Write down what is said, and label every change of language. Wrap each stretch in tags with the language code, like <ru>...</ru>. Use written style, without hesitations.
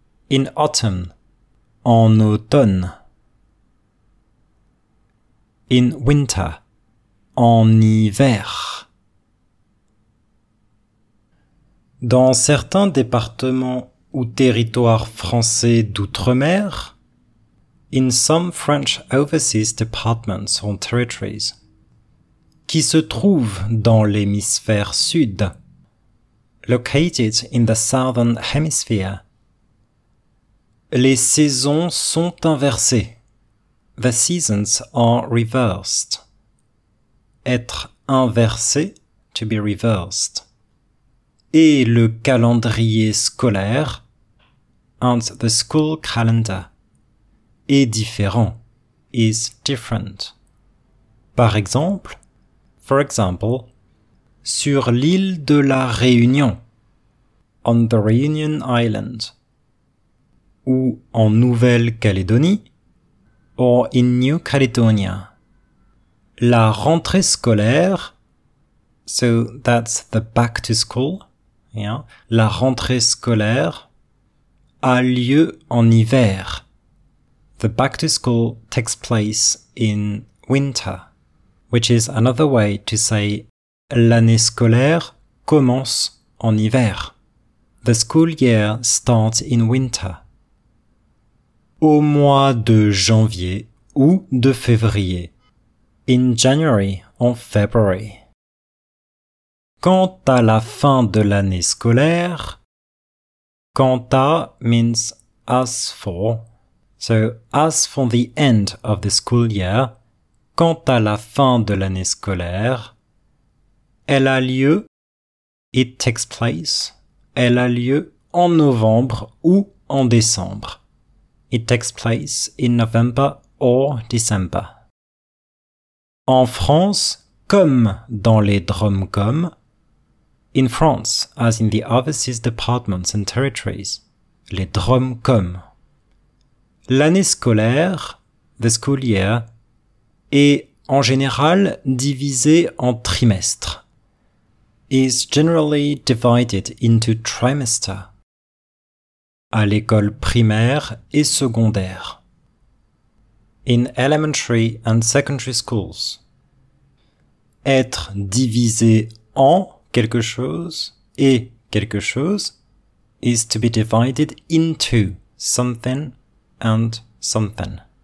<en>In autumn,</en> <fr>en automne.</fr> <en>In winter,</en> <fr>en hiver. Dans certains départements ou territoires français d'outre-mer,</fr> <en>in some French overseas departments or territories,</en> <fr>qui se trouvent dans l'hémisphère sud,</fr> <en>located in the southern hemisphere,</en> <fr>les saisons sont inversées.</fr> <en>The seasons are reversed.</en> <fr>Être inversé,</fr> <en>to be reversed.</en> <fr>Et le calendrier scolaire,</fr> <en>and the school calendar,</en> <fr>est différent,</fr> <en>is different.</en> <fr>Par exemple,</fr> <en>for example,</en> <fr>sur l'île de la Réunion,</fr> <en>on the Reunion Island,</en> <fr>ou en Nouvelle-Calédonie,</fr> <en>or in New Caledonia.</en> <fr>La rentrée scolaire,</fr> <en>so that's the back to school, yeah.</en> <fr>La rentrée scolaire a lieu en hiver.</fr> <en>The back to school takes place in winter, which is another way to say</en> <fr>l'année scolaire commence en hiver.</fr> <en>The school year starts in winter.</en> <fr>Au mois de janvier ou de février.</fr> <en>In January or February.</en> <fr>Quant à la fin de l'année scolaire,</fr> <en>quant à means as for, so as for the end of the school year,</en> <fr>quant à la fin de l'année scolaire, elle a lieu,</fr> <en>it takes place,</en> <fr>elle a lieu en novembre ou en décembre.</fr> <en>It takes place in November or December.</en> <fr>En France, comme dans les DROMCOM,</fr> <en>in France, as in the overseas departments and territories,</en> <fr>les DROMCOM, l'année scolaire,</fr> <en>the school year,</en> <fr>est en général divisée en trimestres,</fr> <en>is generally divided into trimester.</en> <fr>À l'école primaire et secondaire.</fr> <en>In elementary and secondary schools.</en> <fr>Être divisé en quelque chose et quelque chose</fr> <en>is to be divided into something and something.</en>